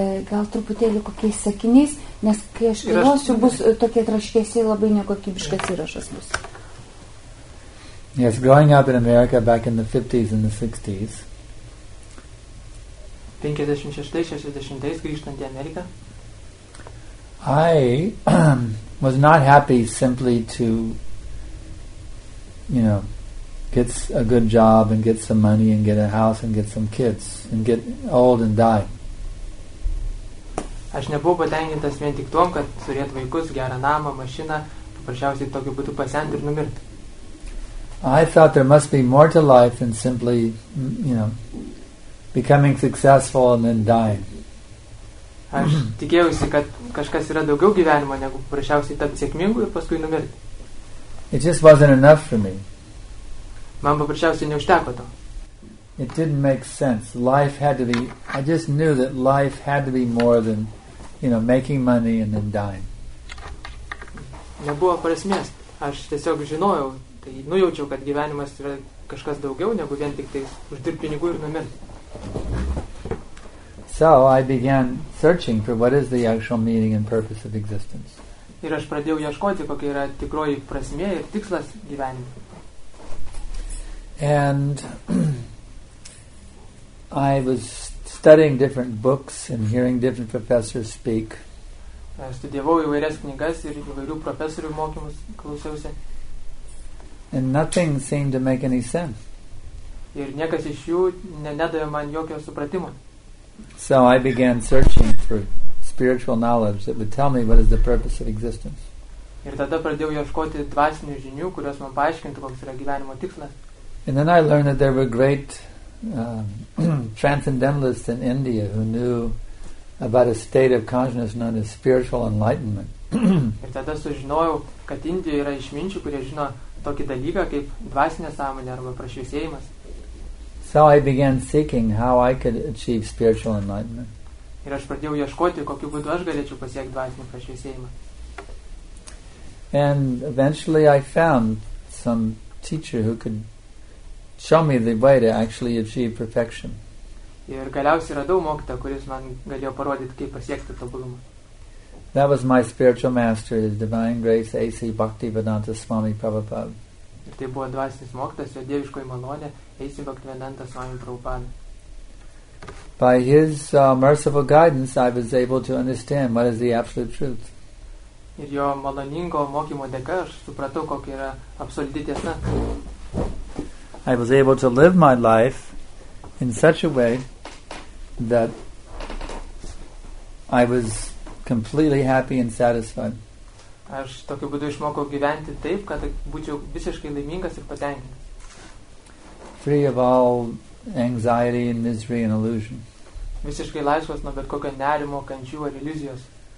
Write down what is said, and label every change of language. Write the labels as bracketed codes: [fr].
[lt] Gal truputėlį kokiais sakiniais, nes kai aš kainuosiu, bus tokie traškėsiai labai nekokybiškas įrašas bus. [en] Yes, growing up in America back in the 50s and the 60s. [lt] 56-60s grįžtant į Ameriką. [en] I was not happy simply to, you know, get a good job and get some money and get a house and get some kids and get old and die. [lt] Aš nebuvau patenkintas vien tik tuom, kad turėt vaikus, gerą namą, mašiną, paprasčiausiai tokiu būdu pasent ir numirt. [en] I thought there must be more to life than simply, you know, becoming successful and then dying. [lt] Aš tikėjausi, kad kažkas yra daugiau gyvenimo, negu paprasčiausiai tapti sėkmingu ir paskui numirt. [en] It just wasn't enough for me. [lt] Man paprasčiausiai neužteko to. [en] It didn't make sense. Life had to be, I just knew that life had to be more than, you know, making money and then dying. [lt] Nebuvo prasmės. Aš tiesiog žinojau, tai nujaučiau, kad gyvenimas yra kažkas daugiau, negu vien tik tai uždirbti pinigų ir numirti. [en] So I began searching for what is the actual meaning and purpose of existence. [lt] Ir aš pradėjau ieškoti, kokia yra tikroji prasmė ir tikslas gyvenime. [en] And I was studying different books and hearing different professors speak. [lt] Studijavau įvairias knygas ir įvairių profesorių mokymus klausiausi. [en] And nothing seemed to make any sense. [lt] Ir niekas iš jų nedavė man jokio supratimo. [en] So I began searching for spiritual knowledge that would tell me what is the purpose of existence. [lt] Ir tada pradėjau ieškoti dvasinių žinių, kurios man paaiškintų, koks yra gyvenimo tikslas. [en] And then I learned that there were great transcendentalists in India who knew about a state of consciousness known as spiritual enlightenment. [lt] Ir tada sužinojau, kad Indijoje yra išminčių, kurie žino tokį dalyką kaip dvasinė sąmonė arba prašviesėjimas. [en] So I began seeking how I could achieve spiritual enlightenment. [lt] Ir aš pradėjau ieškoti, kokiu būdu aš galėčiau pasiekti dvasinį prašviesėjimą. [en] And eventually I found some teacher who could show me the way to actually achieve perfection. [lt] Ir galiausiai radau mokytą, kuris man galėjo parodyti, kaip pasiekti tobulumą. [en] That was my spiritual master, His Divine Grace A.C. Bhaktivedanta Swami Prabhupada. [lt] Ir tai buvo dvasinis mokytas, jo dieviškoji malonė, A.C. Bhaktivedanta Swami Prabhupada. [en] By His merciful guidance, I was able to understand what is the absolute truth. [lt] Ir jo maloningo mokymo dėka, aš supratau, kokia yra absoliuti tiesa. [en] I was able to live my life in such a way that I was completely happy and satisfied. [lt] Aš tokiu būdu išmokau gyventi taip, kad būčiau visiškai laimingas ir patenkintas. [en] Free of all anxiety and misery and illusion. [lt] Visiškai laisvas nuo bet kokio nerimo, kančių ar iliuzijos.